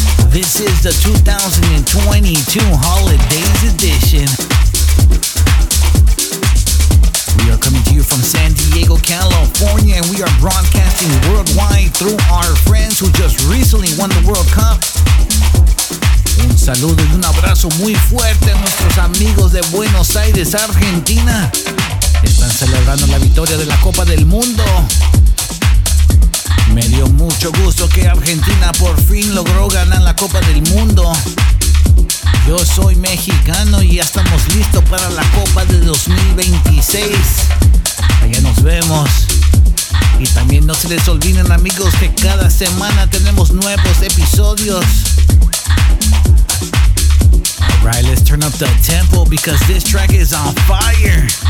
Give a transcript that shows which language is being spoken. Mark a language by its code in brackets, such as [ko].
[en] This is the 2022 Holidays Edition. We are coming to you from San Diego, California, and we are broadcasting worldwide through our friends who just recently won the World Cup. [es] Un saludo y un abrazo muy fuerte a nuestros amigos de Buenos Aires, Argentina. Están celebrando la victoria de la Copa del Mundo. Me dio mucho gusto que Argentina por fin logró ganar la Copa del Mundo. Yo soy mexicano y ya estamos listos para la Copa de 2026. Allá nos vemos. Y también no se les olviden, amigos, que cada semana tenemos nuevos episodios. [en] Alright, let's turn up the tempo because this track is on fire.